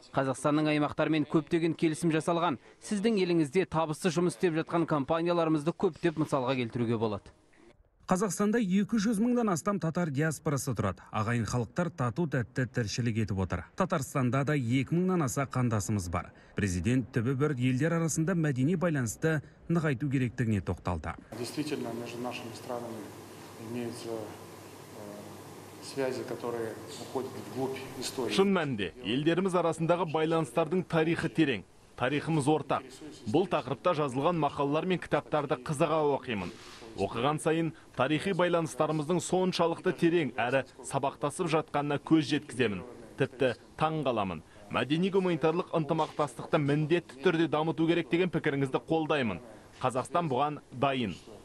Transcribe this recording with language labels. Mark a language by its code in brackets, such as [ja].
[kk] Қазақстанның аймақтарымен көптеген келісім жасалған. Сіздің еліңізде табысты жұмыс істеп жатқан компанияларымызды көптеп мысалға келтіруге болады. Қазақстанда 200 мыңдан астам татар диаспорасы тұрады. Ағайын халықтар тату тәтті тіршілік етіп отыр. Татарстанда да 2000-нан аса қандасымыз бар. Президент түбі бір елдер арасында мәдени байланысты нығайту керектігіне тоқталды. [ru] Действительно, между нашими странами имеются связи, которые уходят вглубь истории. [kk] Шын мәнінде, елдеріміз арасындағы байланыстардың тарихы терең. Тарихымыз ортақ. Бұл тақырыпта жазылған мақалалар мен кітаптарды қызыға оқимын. Оқыған сайын тарихи байланыстарымыздың соншалықты терең әрі сабақтасып жатқанына көз жеткіземін. Тіпті таң қаламын. Мәдени-гуманитарлық ынтымақтастықты міндетті түрде дамыту керек деген пікіріңізді қолдаймын. Қазақстан бұған дайын.